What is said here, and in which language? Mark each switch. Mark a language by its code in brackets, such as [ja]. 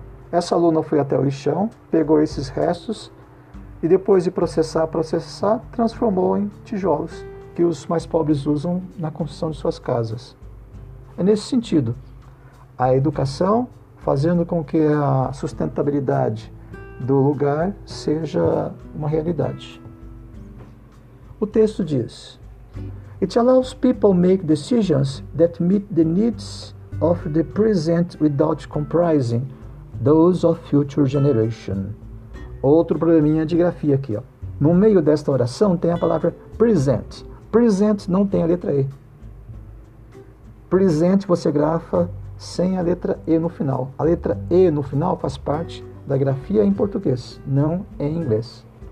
[pt] Essa aluna foi até o lixão, pegou esses restos e depois de processar, transformou em tijolos que os mais pobres usam na construção de suas casas. É nesse sentido, a educação fazendo com que a sustentabilidade do lugar seja uma realidade. O texto diz, [en] It allows people make decisions that meet the needs of the present without compromising those of future generation. [pt] Outro probleminha de grafia aqui, ó. No meio desta oração tem a palavra present. Present não tem a letra E. Present você grafa sem a letra E no final. A letra E no final faz parte da grafia em português, não em inglês.